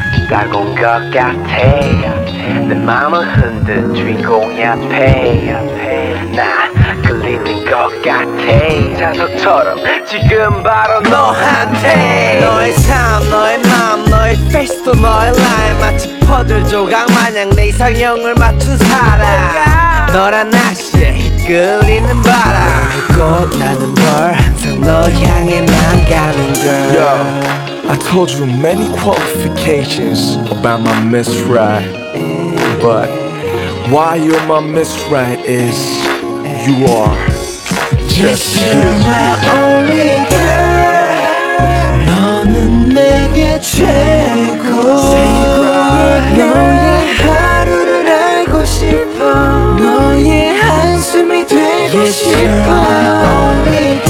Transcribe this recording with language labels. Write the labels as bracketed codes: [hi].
[ko] 따가운 것 같아 내 맘은 흔든 주인공이 앞에 나 끌리는 것 같아 자석처럼 지금 바로 너한테 너의 삶 너의 맘 너의 페이스도 너의 라인 마치 퍼즐 조각 마냥 내 이상형을 맞춘 사람 너란 날씨에 끌리는 바람 그리고 나는 널 항상 너 향해 맘 가는 girl. [en] Yo, I told you many qualifications about my Miss Right. But why you're my Miss Right is you are just you're my only girl. [ko] 너는 내게 최고 너의 하루를 알고 싶어 너의 한숨이 되고 싶어.